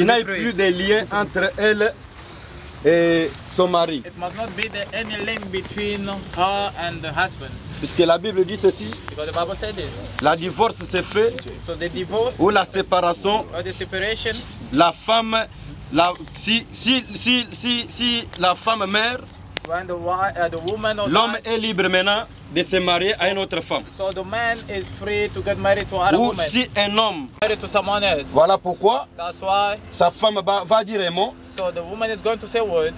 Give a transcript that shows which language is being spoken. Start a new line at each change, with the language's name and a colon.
French: n'y ait plus de lien entre elle et son mari.
English: It must not be there any link between her and the husband.
French: Puisque la Bible dit ceci.
English: Because the Bible said this.
French: La divorce s'est fait.
English: So the divorce.
French: Ou la séparation.
English: Or the separation.
French: La femme, si la femme meurt.
English: When the woman or
French: l'homme est libre maintenant de se marier à une autre femme.
English: So the man is free to get married to another
French: ou
English: woman.
French: Ou si un homme
English: married to someone else.
French: Voilà pourquoi.
English: That's why.
French: Sa femme va dire un mot.
English: So the woman is going to say word.